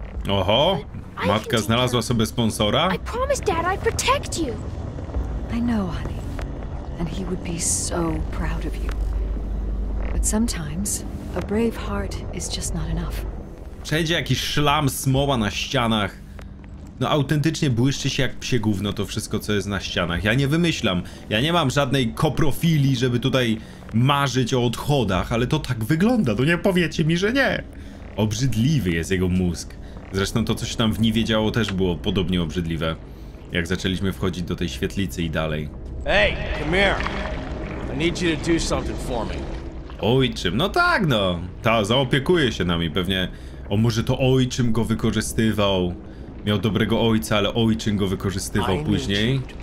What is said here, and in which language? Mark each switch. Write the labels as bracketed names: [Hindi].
[Polish] Oho, matka znalazła sobie sponsora. [English] I promise, Dad, I protect you. I know, honey, and he would be so proud of you. But sometimes a brave heart is just not enough. [Polish] Przejdzie jakiś szlam, smoła na ścianach. No autentycznie błyszczy się jak psie gówno to wszystko, co jest na ścianach. Ja nie wymyślam. Ja nie mam żadnej koprofilii, żeby tutaj marzyć o odchodach, ale to tak wygląda. To nie powiecie mi, że nie. Obrzydliwy jest jego mózg. Zresztą to, co się tam w niej wiedziało, też było podobnie obrzydliwe. Jak zaczęliśmy wchodzić do tej świetlicy i dalej. [English] Hey, come here. I need you to do something for me. [Polish] Ojczym, no tak no. Ta zaopiekuje się nami, pewnie O, może to ojczym go wykorzystywał. Miał dobrego ojca, ale ojczym go wykorzystywał później.